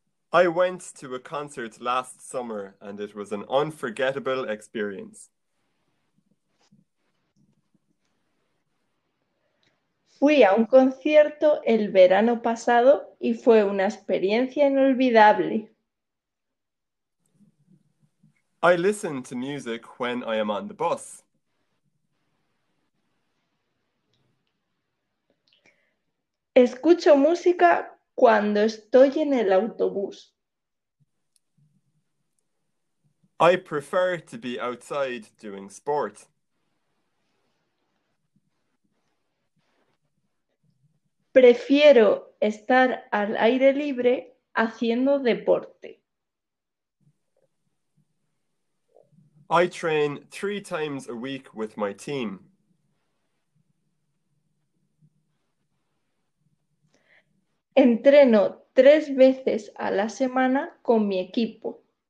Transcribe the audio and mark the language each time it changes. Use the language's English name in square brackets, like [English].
[English] I went to a concert last summer and it was an unforgettable experience. [Spanish] Fui a un concierto el verano pasado y fue una experiencia inolvidable. [English] I listen to music when I am on the bus. [Spanish] Escucho música cuando estoy en el autobús. [English] I prefer to be outside doing sport. [Spanish] Prefiero estar al aire libre haciendo deporte. [English] I train 3 times a week with my team. [Spanish] Entreno 3 veces a la semana con mi equipo.